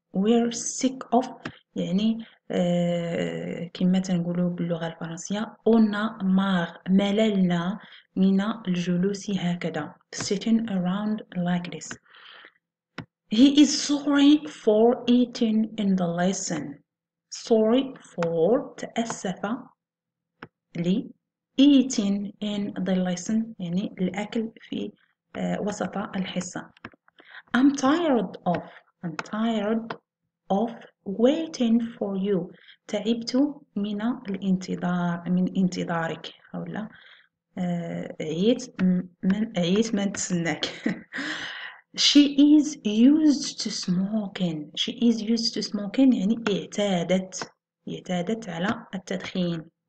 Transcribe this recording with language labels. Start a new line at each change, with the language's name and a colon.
Arabic: We're sick of يعني كما تنقولوا باللغة الفرنسية on a marre مللنا من الجلوس هكذا sitting around like this.
English: He is sorry for eating in the lesson.
Arabic: Sorry for تأسف لي eating in the lesson يعني الأكل في وسط الحصة.
English: I'm tired of I'm tired of waiting for you.
Arabic: تعبت من الانتظار من انتظارك أو لا عيت من تسناك.
English: She is used to smoking. She is used to smoking يعني اعتادت على التدخين.